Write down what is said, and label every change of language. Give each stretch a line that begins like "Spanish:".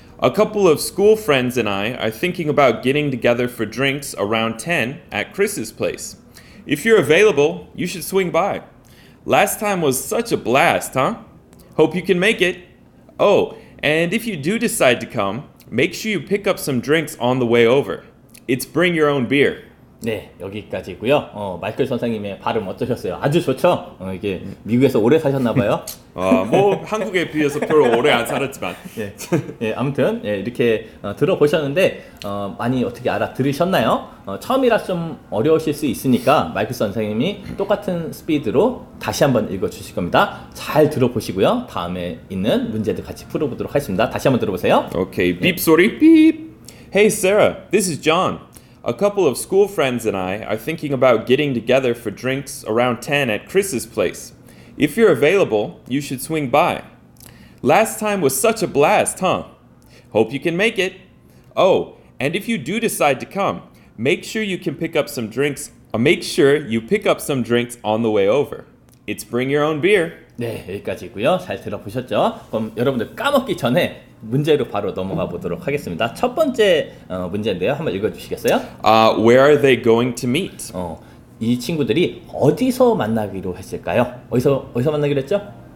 English: A couple of school friends and I are thinking about getting together for drinks around 10 at Chris's place. If you're available, you should swing by. Last time was such a blast, huh? Hope you can make it. Oh, and if you do decide to come, make sure you pick up some drinks on the way over. It's bring your own beer.
Korean: 네, 여기까지고요. 마이클 선생님의 발음 어떠셨어요? 아주 좋죠? 이게 미국에서 오래 사셨나 봐요. 뭐 한국에 비해서 별로 오래 안 살았지만. 예, 네, 아무튼 네, 이렇게 들어보셨는데 많이 어떻게 알아들으셨나요? 처음이라 좀 어려우실 수 있으니까 마이클 선생님이 똑같은 스피드로 다시 한번 읽어주실 겁니다. 잘 들어보시고요. 다음에 있는 문제도 같이 풀어보도록 하겠습니다. 다시 한번 들어보세요. 오케이, 삐입 소리, 삐입.
English: Hey Sarah, this is John. A couple of school friends and I are thinking about getting together for drinks around 10 at Chris's place. If you're available, you should swing by. Last time was such a blast, huh? Hope you can make it. Oh, and if you do decide to come, make sure you pick up some drinks on the way over. It's bring your own beer.
Korean: 네, 여기까지고요. 잘 들어보셨죠? 그럼 여러분들 까먹기 전에 문제로 바로 넘어가 보도록 하겠습니다. 첫 번째 문제인데요. 한번 읽어주시겠어요?
English: Where are they going to meet?
Korean: 이 친구들이 어디서 만나기로 했을까요? 어디서 만나기로 했죠?